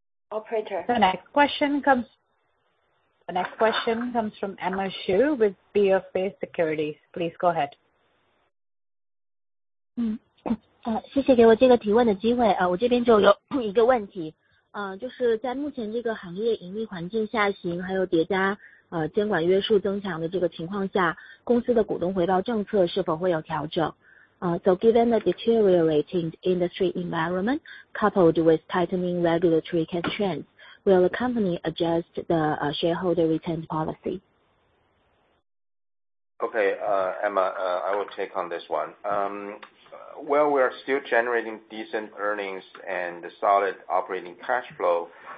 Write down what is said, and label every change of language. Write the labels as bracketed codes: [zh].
[en] Operator. The next question comes from Emma Xu with BofA Securities. Please go ahead. [zh] 谢谢给我这个提问的机会，我这边就有一个问题。就是在目前这个行业盈利环境下行，还有叠加监管约束增强的这个情况下，公司的股东回报政策是否会有调整？ [en] So given the deteriorating industry environment coupled with tightening regulatory constraints, will the company adjust the shareholder return policy? Okay, Emma, I will take on this one. Well, we are still generating decent earnings and solid operating cash flow.